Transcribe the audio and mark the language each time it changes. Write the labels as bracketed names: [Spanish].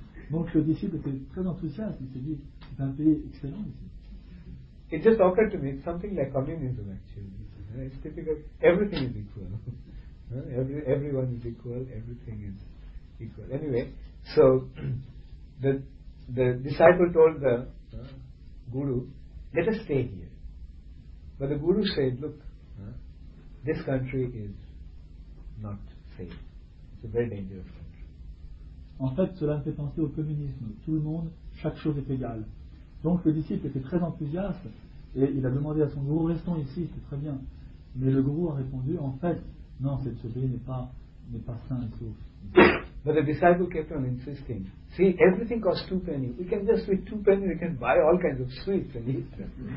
[French] Donc le disciple était très enthousiaste. Il s'est dit, c'est un pays excellent ici. [English] It just occurred to me, it's something like communism actually. It's typical, everything is equal. Everyone is equal, everything is equal. Anyway, so the disciple told the guru, let us stay here. But the guru said, look, this country is not safe. It's a very dangerous country. [French] En fait, cela me fait penser au communisme. Tout le monde, chaque chose est égale. Donc le disciple était très enthousiaste et il a demandé à son gourou, restons ici, c'est très bien. Mais le gourou a répondu, en fait, non, cet objet n'est pas sain et sauf. [English] But the disciple kept on insisting. See, everything costs 2 pennies. We can just with 2 pennies, we can buy all kinds of sweets and eat them.